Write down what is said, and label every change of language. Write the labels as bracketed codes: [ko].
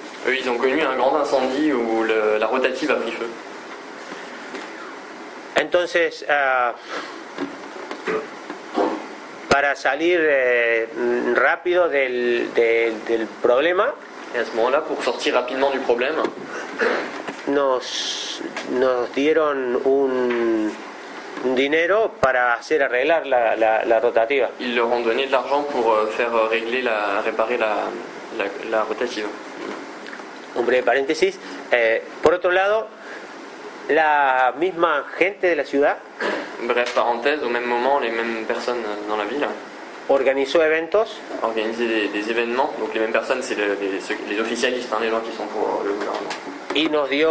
[fr] Eux, ils ont connu un grand incendie où la rotative a pris feu. [es] Entonces, para salir rápido del problema, [fr] et à ce moment-là, pour sortir rapidement du problème, [es] nos dieron un dinero para hacer arreglar la rotativa. [fr] Ils leur ont donné de l'argent pour faire régler la réparer la rotativa. [es] Un breve paréntesis. Por otro lado, la misma gente de la ciudad. [fr] Bref, parenthèse, au même moment, les mêmes personnes dans la ville. [es] Organizó eventos. Organizó [fr] des événements. Donc les mêmes personnes, c'est les oficialistes, hein, les gens qui sont pour le gouvernement.